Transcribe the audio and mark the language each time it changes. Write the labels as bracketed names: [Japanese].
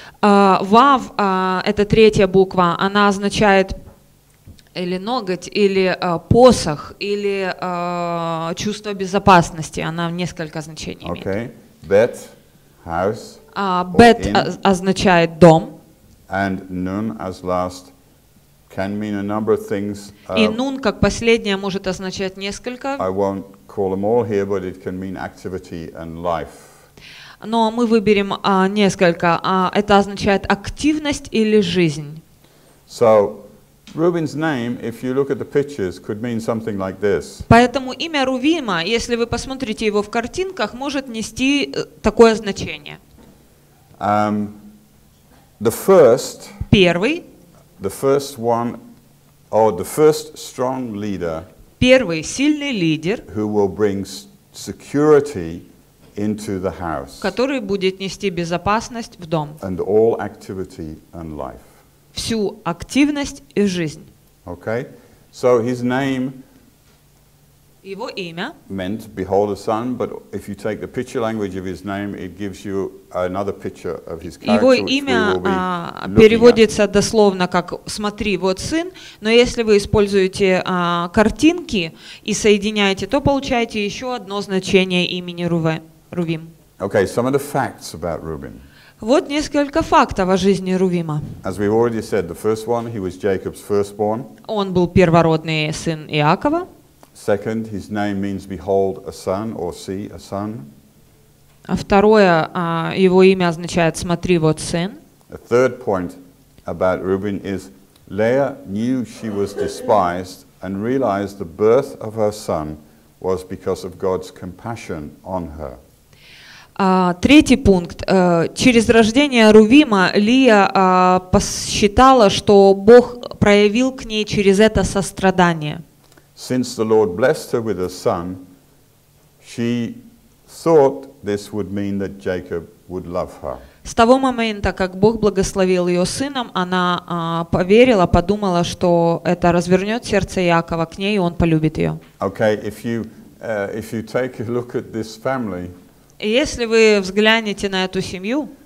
[Russian] Vav это третья буква, она означает или ноготь, или посох, или чувство безопасности. Она в несколько значений имеет. [English] Okay. Bet, house. [Russian] Bet означает дом. [English] And nun as last can mean a number of things. [Russian] И нун как последнее может означать несколько. [English] I won't call them all here, but it can mean activity and life. [Russian] Но мы выберем несколько. Это означает активность или жизнь. [English] So Reuben's name, if you look at the pictures, could mean something like this. [Russian] Поэтому имя Рувима, если вы посмотрите его в картинках, может нести такое значение. [English] The first. [Russian] Первый. [English] The first one, or the first strong leader. [Russian] Первый сильный лидер. [English] Who will bring security into the house. [Russian] Который будет нести безопасность в дом. [English] And all activity and life. [Russian] Всю активность и жизнь. [English] Okay. So his name [Russian] его имя [English] meant behold a son, but if you take the picture language of his name, it gives you another picture of his character. [Russian] Его имя переводится дословно как «смотри, вот сын», но если вы используете картинки и соединяете, то получаете еще одно значение имени Рувим. [English] Okay, some of the facts about Reuben. [Russian] Вот несколько фактов о жизни Рувима. [English] As we've already said, the first one, he was Jacob's firstborn. [Russian] Он был первородный сын Иакова. [English] Second, his name means behold a son or see a son. [Russian] А второе, его имя означает смотри вот сын. [English] A third point about Reuben is Leah knew she was despised and realized the birth of her son was because of God's compassion on her. [Russian] Третий пункт. Через рождение Рувима Лия посчитала, что Бог проявил к ней через это сострадание. [English] Since the Lord blessed her with a son, she thought this would mean that Jacob would love her. [Russian] С того момента, как Бог благословил ее сыном, она поверила, подумала, что это развернет сердце Иакова к ней, и он полюбит ее. [English] Okay, if you take a look at this family, [Russian] если вы взглянете на эту семью,